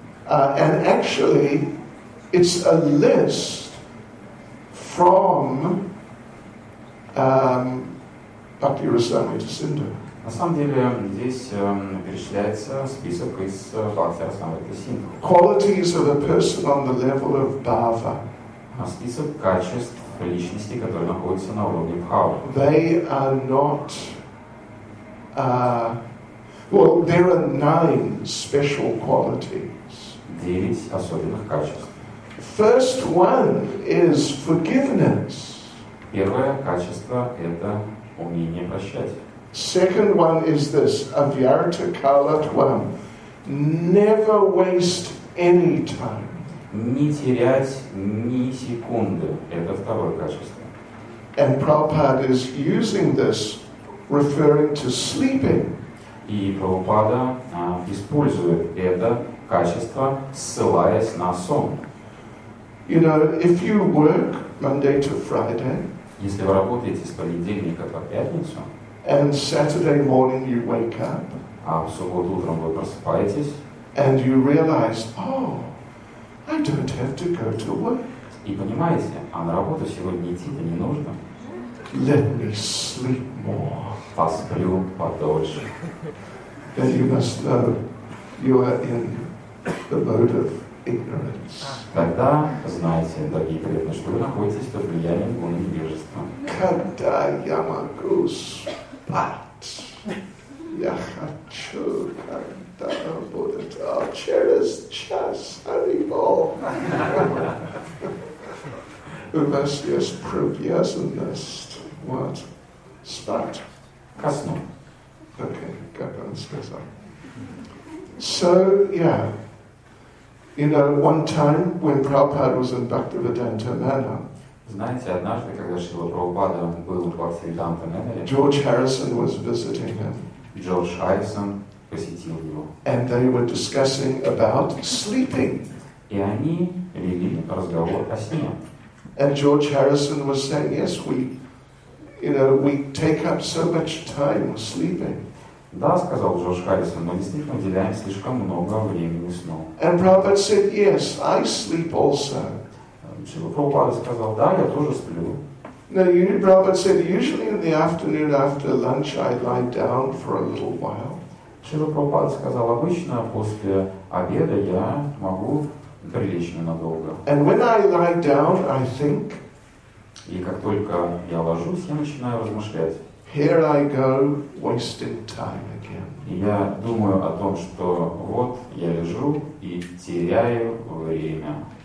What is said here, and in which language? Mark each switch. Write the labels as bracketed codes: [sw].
[en] And actually, it's a list from Bhakti Rasamrita Sindhu. [ru] На самом деле, здесь перечисляется список из Бхакти Расамрита Синдху. [en] Qualities of a person on the level of bhava. [ru] Список качеств личности, которые находятся на уровне бхавы. [en] They are not... well, there are 9 special qualities. [ru] 9 особенных качеств. [en] First one is forgiveness. [ru] Первое качество — это умение прощать. [en] Second one is this, avyarta kala tvam. Never waste any time. [ru] Не терять ни секунды. Это второе качество. [en] And Prabhupada is using this, referring to sleeping. [ru] И Прабхупада использует это качество, ссылаясь на сон. [en] You know, if you work Monday to Friday, [ru] если вы работаете с понедельника по пятницу, [en] and Saturday morning you wake up, [ru] а в субботу утром вы просыпаетесь, [en] and you realize, oh, I don't have to go to work. [ru] И понимаете, а на работу сегодня идти-то не нужно. [en] Let me sleep more. [ru] Посплю подольше. [en] Then you must know you are in the mode of ignorance. [ru] Тогда знаете, дорогие преданные, что вы находитесь под влиянием гуны невежества. Когда я могу спать? Я хочу, когда будет через час, Харибол. У вас есть привязанность. Вот. Спать. [en] Okay, got on special. So yeah, you know, one time when Prabhupada was in Bhaktivedanta Manor. [ru] Знаете, однажды, когда Шрила Прабхупада был в Бхактивиданта Манор, [en] George Harrison was visiting him. [ru] George Harrison посетил его. [en] And they were discussing about sleeping. [ru] И они вели разговор о сне. [en] And George Harrison was saying, yes, we. You know, we take up so much time sleeping. [ru] Да, сказал Джордж Харрисон, мы действительно уделяем слишком много времени сну. [en] And Prabhupada said, yes, I sleep also. [ru] Шрила Прабхупада сказал, да, я тоже сплю. [en] Now, you know, Prabhupada said, usually in the afternoon after lunch, I lie down for a little while. [ru] Шрила Прабхупада сказал, обычно после обеда я могу прилечь ненадолго. [en] And when I lie down, I think. [ru] И как только я ложусь, я начинаю размышлять. [en] Here I go, wasting time again. [ru] Я думаю о том, что вот я лежу и теряю время.